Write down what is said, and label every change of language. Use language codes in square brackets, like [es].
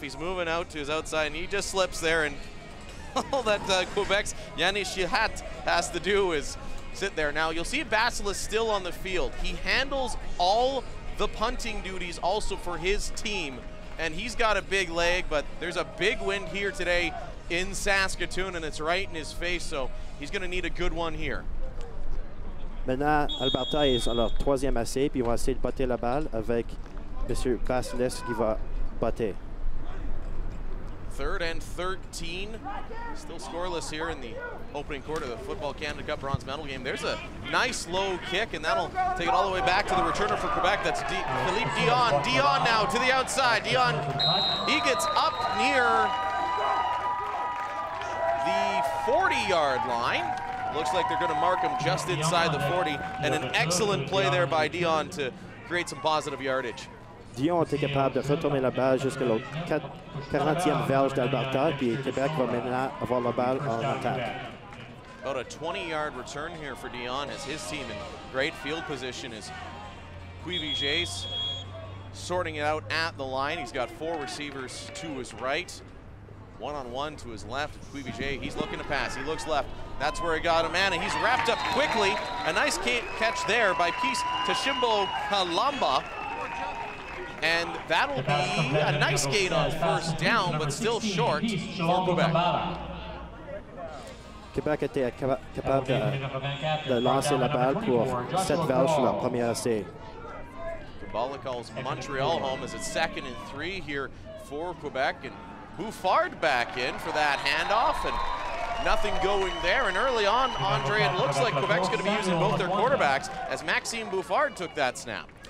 [en] He's moving out to his outside, and he just slips there, and all that Quebec's Yannis Chihat has to do is sit there. Now, you'll see Basilis still on the field. He handles all the punting duties also for his team, and he's got a big leg, but there's a big wind here today in Saskatoon, and it's right in his face, so he's going to need a good one here. [fr] Maintenant, Alberta est à leur troisième essai, puis ils vont essayer de battre la balle avec Monsieur Basilis qui va battre. [en] Third and 13. Still scoreless here in the opening quarter of the Football Canada Cup bronze medal game. There's a nice low kick, and that'll take it all the way back to the returner for Quebec. That's Philippe Dion. Dion now to the outside. Dion, he gets up near the 40-yard line. Looks like they're gonna mark him just inside the 40, and an excellent play there by Dion to create some positive yardage. [fr] Dion était capable de retourner la balle jusqu'à la 40e verge d'Alberta, puis Québec va maintenant avoir la balle en attaque. [en] About a 20-yard return here for Dion as his team in great field position is Cuivillers sorting it out at the line. He's got four receivers to his right, one-on-one to his left. Cuivillers, he's looking to pass. He looks left. That's where he got a man, and he's wrapped up quickly. A nice catch there by Peace Tshimbo Kalamba. And that'll be a nice gain on first down, but still short for Quebec. [fr] Québec était capable de lancer la balle pour cette balle sur la première essai. [en] Kabbalah calls Montreal home as it's second and three here for Quebec. And Bouffard back in for that handoff, and nothing going there. And early on, Andre, it looks like Quebec's going to be using both their quarterbacks as Maxime Bouffard took that snap.